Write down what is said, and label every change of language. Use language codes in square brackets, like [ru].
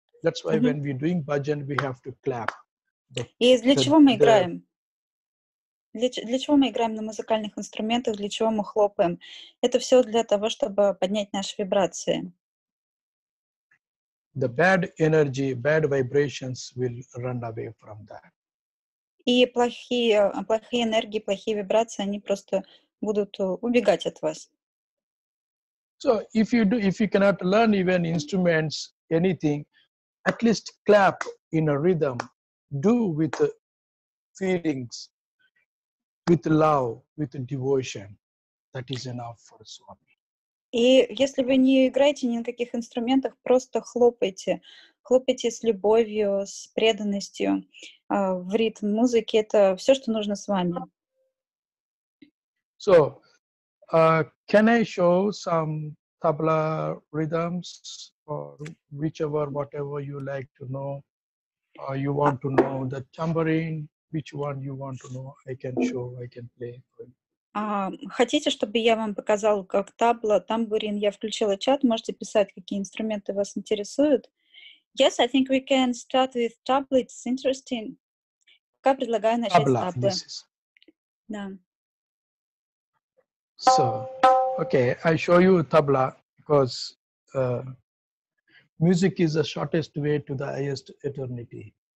[en] That's why when we're doing bhajan, we have to clap. [ru] Для чего мы играем на музыкальных инструментах, для чего мы хлопаем? Это все для того, чтобы поднять наши вибрации. [en] The bad energy, bad vibrations will run away from that. [ru] И плохие энергии, плохие вибрации, они просто будут убегать от вас. [en] So if you cannot learn even instruments, anything, at least clap in a rhythm. Do with feelings, with love, with devotion. That is enough for Swami. [ru] И если вы не играете ни на каких инструментах, просто хлопайте. Хлопайте с любовью, с преданностью в ритм музыки. Это все, что нужно с вами. [en] So, can I show some tabla rhythms or whichever, whatever you like to know? You want to know the tambourine, which one you want to know, I can show, I can play. [ru] Хотите, чтобы я вам показал, как табла, тамбурин? Я включила чат, можете писать, какие инструменты вас интересуют. [en] Yes, I think we can start with tabla. It's interesting. [ru] Пока предлагаю начать [en] tabla, [ru] с таблы. Да. [en] So, okay, I show you tabla because music is the shortest way to the highest eternity.